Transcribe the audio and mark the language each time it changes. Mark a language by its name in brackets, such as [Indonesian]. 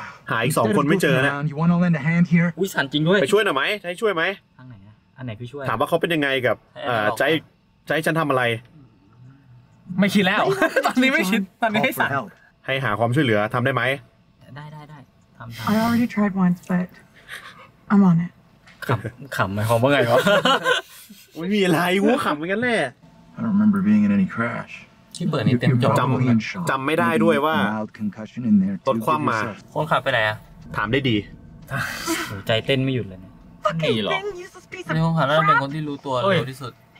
[Thai] หายอีก2คนไม่เจอเนี่ย [English] You want to lend a hand here? [Thai] อุ๊ยสั่นจริงด้วย ไปช่วยหน่อยมั้ยใช้ช่วยมั้ย ทางไหนอ่ะอันไหนคือช่วย ถามว่าเขาเป็นยังไงกับใช้ฉันทําอะไร ไม่คิดแล้วตอนนี้ไม่คิดตอนนี้ให้สั่น ให้หาความช่วยเหลือทําได้มั้ย ได้ทํ [English] า I already tried once but I'm on it [Thai] ขำๆหมายความว่าไงครับ ไม่มีอะไรกูขำเหมือนกันแหละ [English] I don't remember being in any crash [Thai] ที่เปิดนี่เต็มจอ จำไม่ได้ด้วยว่าตดความมา คนขับไปไหนอะ ถามได้ดี ใจเต้นไม่หยุดเลยนี่หรอในห้องขับน่าจะเป็นคนที่รู้ตัวเร็วที่สุด